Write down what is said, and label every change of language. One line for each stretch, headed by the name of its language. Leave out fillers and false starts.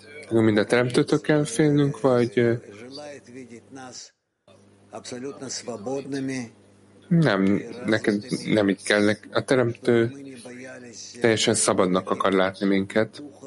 Hungarian: Nekünk mind a teremtőtől kell félnünk, vagy...
Russian: Желает видеть нас абсолютно свободными.
Hungarian: Нem, neked nem így kell. A teremtő teljesen szabadnak akar látni minket.